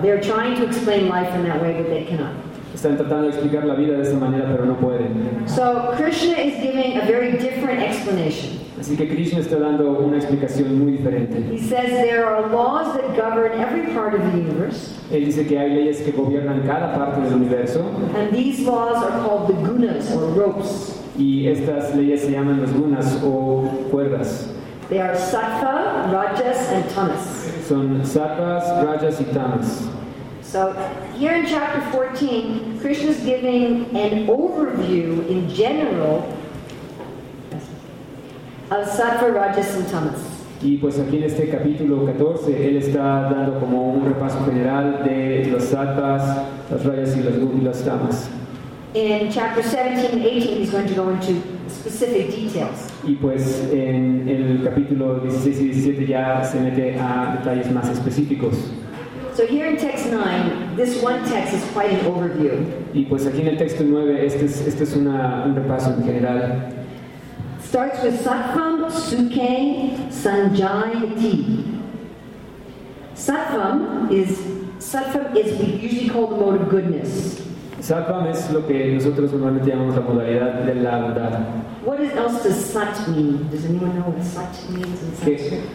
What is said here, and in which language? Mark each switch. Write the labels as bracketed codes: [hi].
[en] They're trying to explain life in that way, but they cannot. [es] Están tratando de explicar la vida de esa manera, pero no pueden. [en] So Krishna is giving a very different explanation. [es] Así que Krishna está dando una explicación muy diferente. [en] He says there are laws that govern every part of the universe. [es] Él dice que hay leyes que gobiernan cada parte del universo. [en] And these laws are called the gunas or ropes. [es] Y estas leyes se llaman las gunas o cuerdas. [en] They are sattva, rajas, and tamas. [es] Son sattvas, rajas y tamas. [en] So here in chapter 14, Krishna is giving an overview in general of sattva, rajas, and tamas. [es] Y pues aquí en este capítulo 14, él está dando como un repaso general de los sattvas, las rajas y las tamas. [en] In chapter 17 and 18, he's going to go into specific details. [es] Y pues en el capítulo 16 y 17 ya se mete a detalles más específicos. [en] So here in text 9, this one text is quite an overview. [es] Y pues aquí en el texto 9, este es un repaso en general. [en] Starts with [sa] sattvam sukhe sanjayati. [en] Sattvam is we usually call the mode of goodness. [es] Sattvam es lo que nosotros normalmente llamamos la modalidad de la bondad. [en] What else does sat mean? Does anyone know what sat means in Sanskrit?